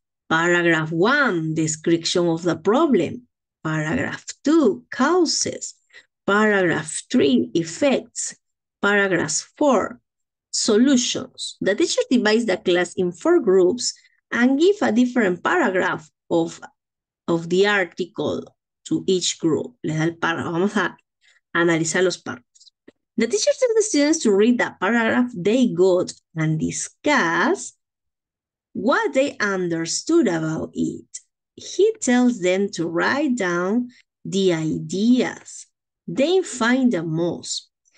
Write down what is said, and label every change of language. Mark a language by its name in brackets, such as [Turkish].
[English] Paragraph 1, description of the problem. Paragraph 2, causes. Paragraph 3, effects. Paragraph 4, solutions. The teacher divides the class in four groups and give a different paragraph of the article to each group. [Spanish] Le da el párrafo. Vamos a analizar los párrafos. [English] The teacher tells the students to read the paragraph they got and discuss what they understood about it. He tells them to write down the ideas they find the most.